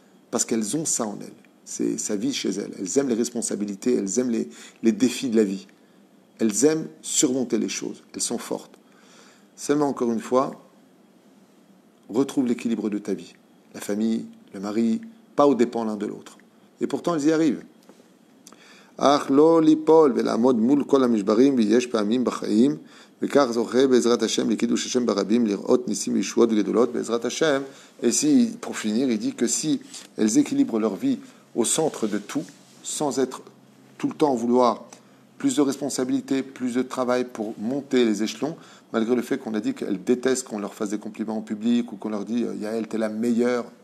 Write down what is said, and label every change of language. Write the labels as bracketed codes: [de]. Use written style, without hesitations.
[fr] Parce qu'elles ont ça en elles. C'est sa vie chez elles. Elles aiment les responsabilités, elles aiment les défis de la vie. Elles aiment surmonter les choses. Elles sont fortes. Seulement, encore une fois, retrouve l'équilibre de ta vie. La famille, le mari, pas aux dépens l'un de l'autre. Et pourtant, elles y arrivent. [he] אך לא ליפול ולעמוד מול כל המשברים ויש פעמים בחיים וכך זוכה בעזרת השם לקידוש השם ברבים לראות ניסים וישועות גדולות בעזרת השם. [fr] Et si, pour finir, il dit que si elles équilibrent leur vie au centre de tout, sans être tout le temps vouloir plus de responsabilités, plus de travail pour monter les échelons, malgré le fait qu'on a dit qu'elles détestent qu'on leur fasse des compliments en public ou qu'on leur dit « Yael, t'es la meilleure ».